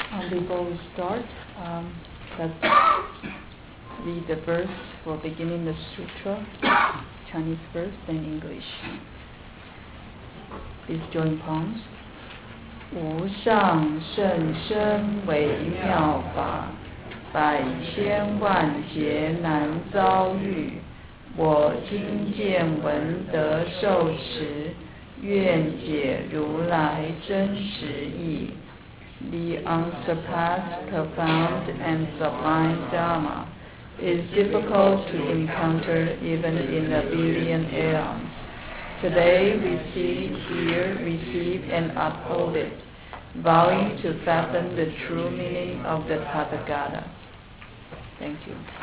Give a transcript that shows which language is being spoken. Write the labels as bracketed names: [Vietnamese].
[English] people start, let's read the verse for beginning the sutra, Chinese verse, then English. Please join palms. [Chinese] 无上甚深微妙法，百千万劫难遭遇。我今见闻得受持，愿解如来真实意。 [English] The unsurpassed, profound, and sublime Dharma is difficult to encounter even in a billion aeons. Today we see, hear, receive, and uphold it, vowing to fathom the true meaning of the Tathagata. Thank you.